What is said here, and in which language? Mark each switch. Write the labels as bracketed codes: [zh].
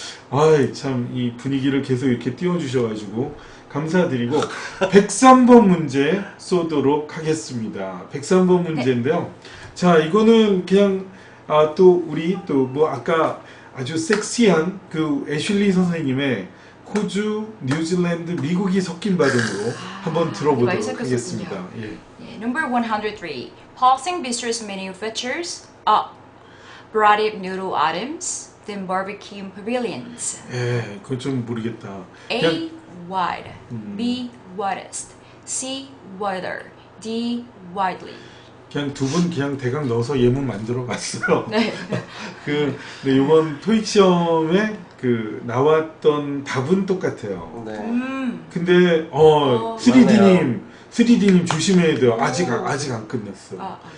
[ko] 아이, 참, 이 분위기를 계속 이렇게 띄워주셔가지고 감사드리고 103번 문제 쏘도록 하겠습니다. 103번 문제인데요. 자, 이거는 그냥 아, 또 우리 또 뭐 아까 아주 섹시한 그 애슐리 선생님의 호주, 뉴질랜드, 미국이 섞인 발음으로 한번 들어보도록 하겠습니다. [en] 예. Number 103. Pulsing bistro's menu features a variety of noodle items than barbecue pavilions. [ko] 예, 그건 좀 모르겠다. [en] A wide, B widest, C wider, D widely. [ko] 그냥 두 분 그냥 대강 넣어서 예문 만들어 봤어요. 네. 그 네, 이번 토익 시험에 그 나왔던 답은 똑같아요. 네. 근데 3D님, 맞네요. 3D님 조심해야 돼요. 아직 안 끝났어. 아.